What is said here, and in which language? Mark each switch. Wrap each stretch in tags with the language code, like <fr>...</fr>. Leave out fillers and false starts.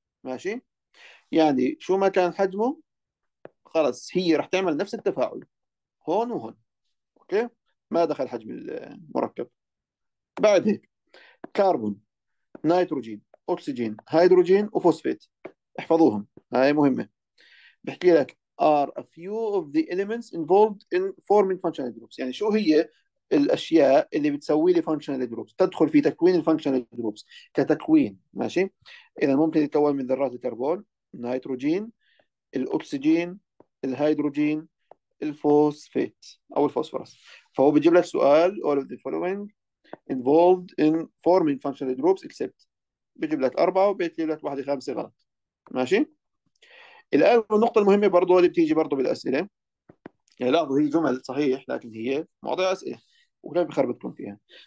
<ar>ماشي؟ يعني شو ما كان حجمه خلاص هي رح تعمل نفس التفاعل هون وهون. اوكي؟ ما دخل حجم المركب. بعد هيك كربون، نيتروجين، اكسجين، هيدروجين وفوسفيت، احفظوهم هاي مهمه. بحكي لك</ar> <en>are a few of the elements involved in forming functional groups،</en> <ar>يعني شو هي الاشياء اللي بتسوي لي فانكشنال جروبس، تدخل في تكوين الفانكشنال جروبس كتكوين، ماشي؟ اذا ممكن يتكون من ذرات الكربون، النيتروجين، الاكسجين، الهيدروجين، الفوسفيت او الفوسفورس. فهو بيجيب لك سؤال:</ar> <en>all of the following involved in forming functional groups except،</en> <ar>بيجيب لك اربعه وبيجيب لك واحده خمسه غلط، ماشي؟ الان النقطه المهمه برضو اللي بتيجي برضو بالاسئله، يعني لاحظوا هي جمل صحيح لكن هي مواضيع اسئله ولا بخربطكم فيها.</ar>